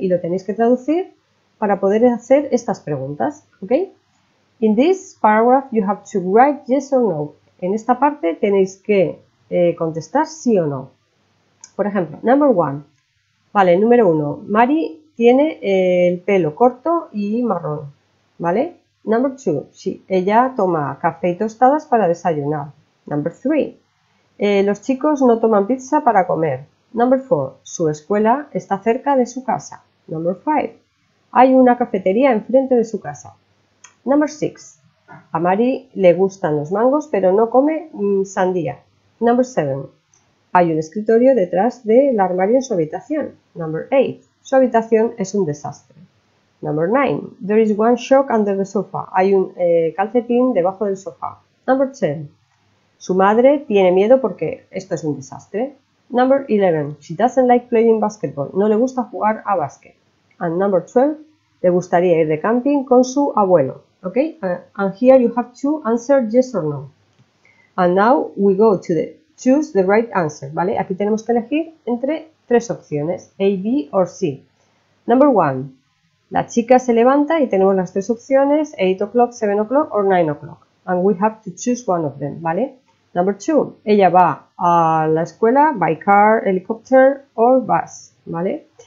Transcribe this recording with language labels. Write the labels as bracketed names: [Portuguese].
[Spanish] Y lo tenéis que traducir para poder hacer estas preguntas. [English] Okay? In this paragraph, you have to write yes or no. [Spanish] En esta parte tenéis que contestar sí o no. Por ejemplo, [English] number one. [Spanish] Vale, número uno. Mary tiene el pelo corto y marrón. Vale. [English] Number two. [Spanish] Sí, ella toma café y tostadas para desayunar. [English] Number three. [Spanish] Los chicos no toman pizza para comer. [English] Number four. [Spanish] Su escuela está cerca de su casa. [English] Number five. [Spanish] Hay una cafetería enfrente de su casa. [English] Number six. [Spanish] A Mary le gustan los mangos, pero no come sandía. [English] Number 7. [Spanish] Hay un escritorio detrás del armario en su habitación. [English] Number 8. [Spanish] Su habitación es un desastre. [English] Number 9. There is one shock under the sofa. [Spanish] Hay un calcetín debajo del sofá. [English] Number 10. [Spanish] Su madre tiene miedo porque esto es un desastre. [English] Number 11. She doesn't like playing basketball. [Spanish] No le gusta jugar a básquet. [English] And number 12. [Spanish] Le gustaría ir de camping con su abuelo. [English] Okay? And here you have to answer yes or no. And now we go to the choose the right answer, ¿vale? [Spanish] Aquí tenemos que elegir entre tres opciones, A, B o C. Number one, la chica se levanta y tenemos las tres opciones, [English] 8 o'clock, 7 o'clock [Spanish] o [English] 9 o'clock. And we have to choose one of them, ¿vale? Number two, [Spanish] ella va a la escuela [English] by car, helicopter o bus, ¿vale?